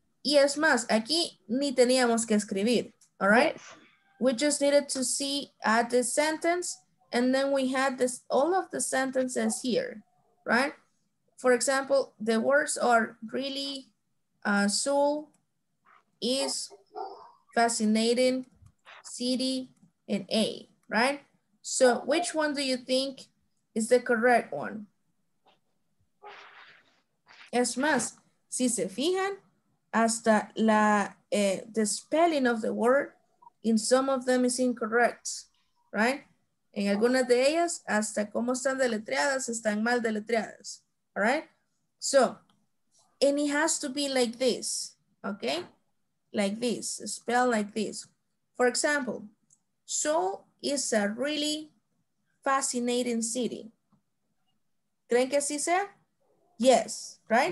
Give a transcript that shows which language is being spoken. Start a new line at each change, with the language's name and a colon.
Spanish: Y es más, aquí ni teníamos que escribir, all right?
English: Yes. We just needed to see at the sentence, and then we had this all of the sentences here, right? For example, the words are really, Seoul is fascinating, city, and A, right? So which one do you think is the correct one?
Spanish: Es más, si se fijan, hasta la,
English: the spelling of the word in some of them is incorrect, right?
Spanish: En algunas de ellas, hasta cómo están deletreadas, están mal deletreadas, all right?
English: So, and it has to be like this, okay? Like this, spelled like this. For example, Seoul is a really fascinating city.
Spanish: ¿Creen que así sea? Yes, right?